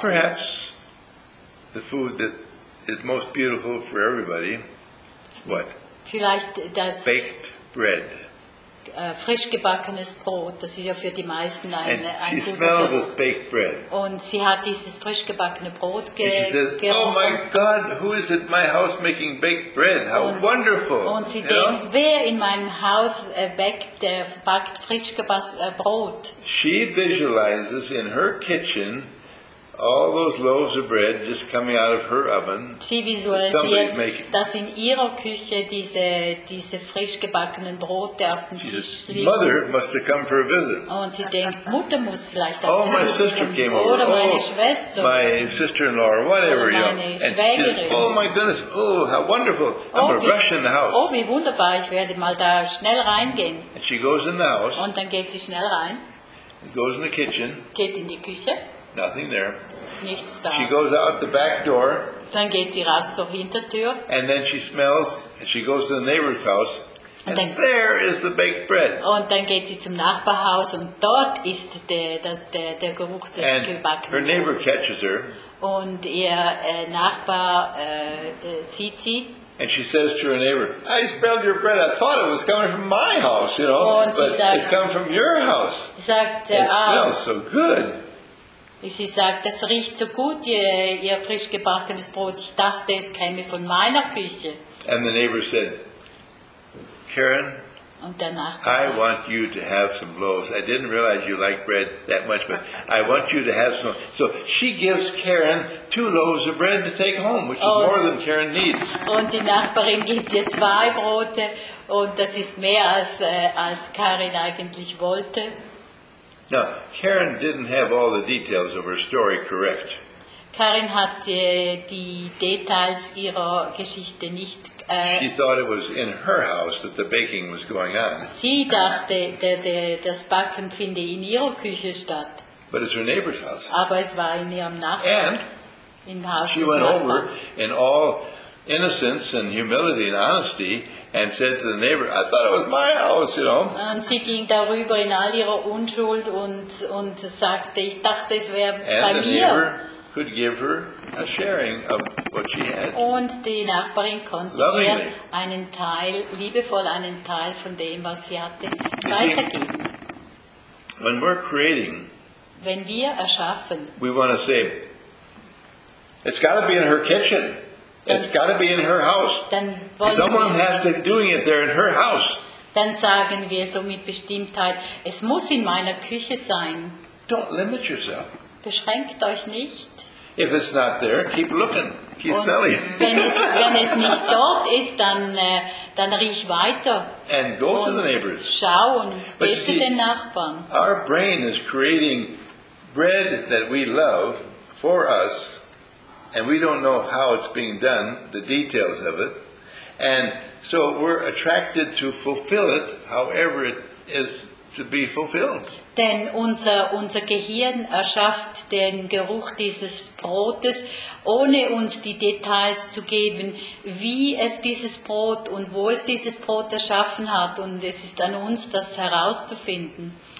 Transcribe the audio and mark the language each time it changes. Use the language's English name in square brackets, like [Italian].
[English] Perhaps the food that is most beautiful for everybody. What? [German] Vielleicht das [English] baked bread. [German] Frisch gebackenes Brot, das ist ja für die meisten ein guter. [English] She smelled this baked bread. [German] Und sie hat dieses frisch gebackene Brot gerochen. [English] She said, "Oh my God, who is at my house making baked bread? How wonderful!" [German] Und sie denkt, wer in meinem Haus backt frisch gebackenes Brot? [English] She visualizes in her kitchen all those loaves of bread just coming out of her oven. [German] Sie visualisiert, dass in ihrer Küche diese frisch gebackenen Brote auf dem Tisch liegen. [English] Mother must have come for a visit. [German] Und sie denkt, Mutter muss vielleicht auch besuchen. [English] Oh, my sister came over. [German] Oder meine Schwester. [English] Oh, my sister-in-law or whatever. [German] Oder meine Schwägerin. [English] And oh my goodness, oh, how wonderful. I'm a rush in the house. [German] Oh, wie wunderbar, ich werde mal da schnell reingehen. [English] And she goes in the house. [German] Und dann geht sie schnell rein. [English] Goes in the kitchen. [German] Geht in die Küche. [English] Nothing there. [German] Nichts da. [English] She goes out the back door. [German] Dann geht sie raus zur Hintertür. [English] And then she smells, and she goes to the neighbor's house. And [German] dann, [English] there is the baked bread. [German] Und dann geht sie zum Nachbarhaus und dort ist der Geruch des gebackenen Brotes. [English] Her neighbor catches her. [German] Und ihr Nachbar sieht sie. [English] And she says to her neighbor, "I smelled your bread. I thought it was coming from my house, you know, [German] und [English] but [German] sagt, [English] it's come from your house. [German] Sagt, [English] it smells so good." [German] Sie sagt, das riecht so gut, ihr frisch gebackenes Brot. Ich dachte, es käme von meiner Küche. [English] And the neighbor said, "Karen, [German] und der Nachbar sagt, [English] I want you to have some loaves. I didn't realize you like bread that much, but I want you to have some." So she gives Karen 2 loaves of bread to take home, which is more than Karen needs. [German] Und die Nachbarin gibt ihr 2 Brote, und das ist mehr als Karin eigentlich wollte. [English] Now, Karen didn't have all the details of her story correct. [German] Karin hat die Details ihrer Geschichte nicht. [English] She thought it was in her house that the baking was going on. [German] Sie dachte, das Backen finde in ihrer Küche statt. [English] But it's her neighbor's house. [German] Aber es war in ihrem Nachbarn. [English] And [German] in Haus [English] she went over in all innocence and humility and honesty. And said to the neighbor, "I thought it was my house, you know." [German] Und sie ging darüber in all ihrer Unschuld und sagte, ich dachte, es wäre bei mir. [English] And the neighbor could give her a sharing of what she had. [German] Und die Nachbarin konnte [English] lovingly [German] ihr einen Teil, liebevoll einen Teil von dem, was sie hatte, weitergeben. [English] When we're creating, [German] wenn wir erschaffen, [English] we want to say, it's got to be in her kitchen. It's got to be in her house. Someone has to be doing it there in her house. [German] Dann sagen wir so mit Bestimmtheit, es muss in meiner Küche sein. [English] Don't limit yourself. [German] Beschränkt euch nicht. [English] If it's not there, keep looking. Keep smelling. [German] Wenn es nicht dort ist, dann riech weiter. [English] And go to the neighbors. [German] Schau und geh zu den Nachbarn. [English] Our brain is creating bread that we love for us. And we don't know how it's being done, the details of it. And so we're attracted to fulfill it, however it is to be fulfilled. [German] Denn unser Gehirn erschafft den Geruch dieses Brotes, ohne uns die Details zu geben, wie es dieses Brot und wo es dieses Brot erschaffen hat. Und es ist an uns, das herauszufinden.